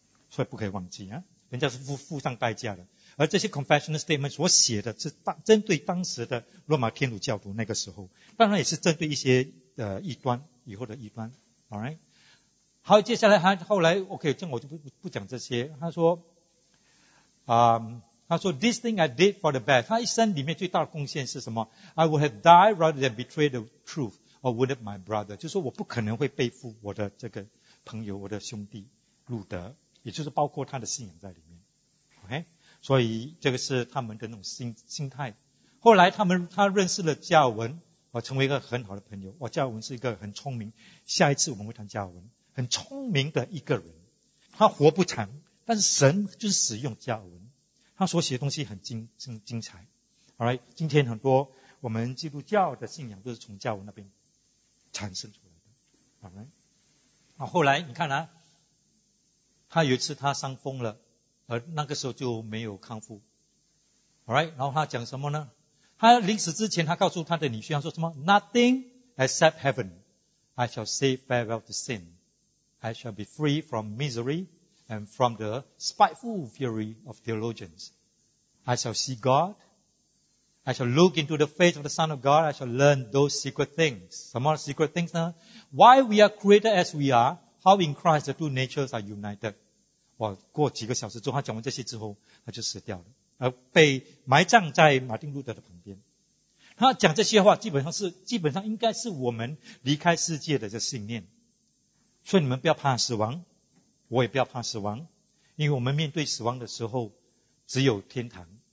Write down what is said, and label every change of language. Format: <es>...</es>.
<zh>所以不可以忘记啊，人家是付上代价的。而这些</zh> <en>confessional statement</en> <zh>所写的是针对当时的罗马天主教徒那个时候，当然也是针对一些异端，以后的异端。</zh> <en>Alright?</en> <zh>好，接下来他后来 OK， 这我就不讲这些。他说，他说</zh> <en>This thing I did for the best。</en> <zh>他一生里面最大的贡献是什么</zh> <en>？I would have died rather than betray the truth or would have my brother。</en> <zh>就是说我不可能会背负我的这个朋友，我的兄弟路德，也就是包括他的信仰在里面。</zh> <en>OK。</en> <zh>所以这个是他们的那种心态。后来他认识了加尔文，成为一个很好的朋友。加尔文是一个很聪明，下一次我们会谈加尔文，很聪明的一个人。他活不长，但是神就是使用加尔文，他所写的东西很精彩。好嘞，今天很多我们基督教的信仰都是从加尔文那边产生出来的。好嘞，后来你看啊，他有一次他伤风了。而那个时候就没有康复 ，</zh> <en>Alright，</en> <zh>然后他讲什么呢？他临死之前，他告诉他的女婿，他说什么</zh> <en>？Nothing except heaven, I shall say farewell to sin, I shall be free from misery and from the spiteful fury of theologians. I shall see God, I shall look into the face of the Son of God, I shall learn those secret things.</en> <zh>什么</zh> <en>secret things</en> <zh>呢</zh> <en>？Why we are created as we are, how in Christ the two natures are united.</en> <zh>哇，过几个小时之后，他讲完这些之后，他就死掉了，而被埋葬在马丁路德的旁边。他讲这些话，基本上应该是我们离开世界的这信念。所以你们不要怕死亡，我也不要怕死亡，因为我们面对死亡的时候，只有天堂。</zh>